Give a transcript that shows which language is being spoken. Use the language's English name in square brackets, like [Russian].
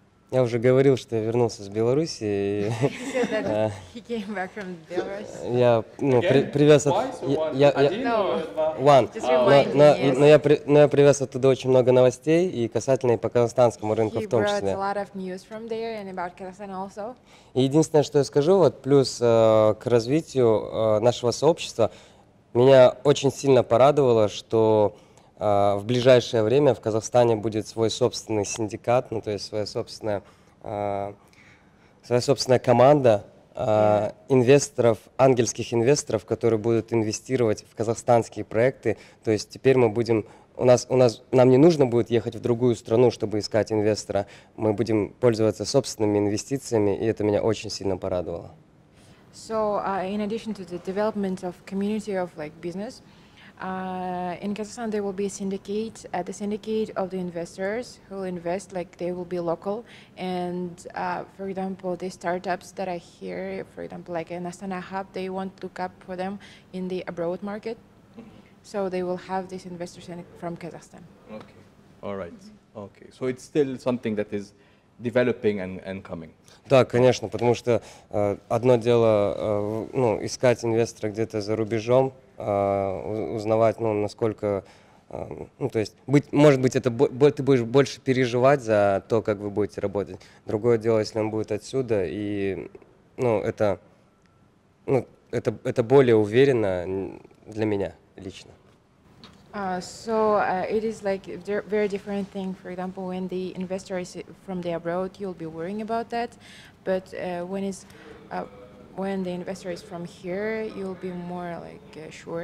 [Russian] Я уже говорил, что я вернулся с Беларуси. [English] He came back from Belarus. [Russian] Я привез от но я привез оттуда очень много новостей и касательно и по казахстанскому рынку в том числе. [English] He brought a lot of news from there and about Kazakhstan also. [Russian] Единственное, что я скажу, вот плюс к развитию нашего сообщества. Меня очень сильно порадовало, что в ближайшее время в Казахстане будет свой собственный синдикат, ну то есть своя собственная команда, инвесторов, ангельских инвесторов, которые будут инвестировать в казахстанские проекты. То есть теперь мы будем, нам не нужно будет ехать в другую страну, чтобы искать инвестора. Мы будем пользоваться собственными инвестициями, и это меня очень сильно порадовало. [English] So, in addition to the development of community of like business, in Kazakhstan there will be a syndicate, the syndicate of the investors who will invest, like they will be local. And for example, the startups that are here, for example, like in Astana Hub, they won't look up for them in the abroad market. So they will have these investors from Kazakhstan. Okay, all right. Mm-hmm. Okay, so it's still something that is developing and coming. [Russian] Да, конечно, потому что одно дело, ну, искать инвестора где-то за рубежом, узнавать, ну, насколько, ну, то есть, ты будешь больше переживать за то, как вы будете работать. Другое дело, если он будет отсюда, и, ну, это более уверенно для меня лично. [English] It is like a very different thing. For example, when the investor is from the abroad, you'll be worrying about that. But when the investor is from here, you'll be more like sure.